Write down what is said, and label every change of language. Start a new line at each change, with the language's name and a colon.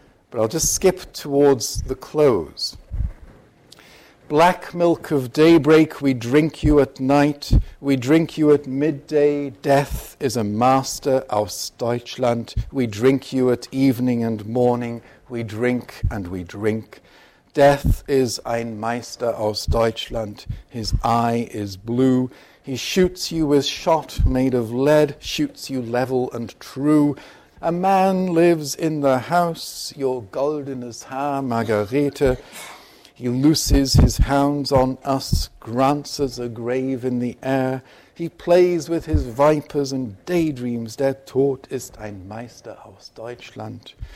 English: But I'll just skip towards the close. Black milk of daybreak, we drink you at night. We drink you at midday. Death is a master
German: aus Deutschland.
English: We drink you at evening and morning. We drink and we drink. Death is
German: ein Meister aus Deutschland.
English: His eye is blue. He shoots you with shot made of lead, shoots you level and true. A man lives in the house, your
German: goldenes Haar,
English: Margarete. He looses his hounds on us, grants us a grave in the air. He plays with his vipers and daydreams.
German: Der Tod ist ein Meister aus Deutschland.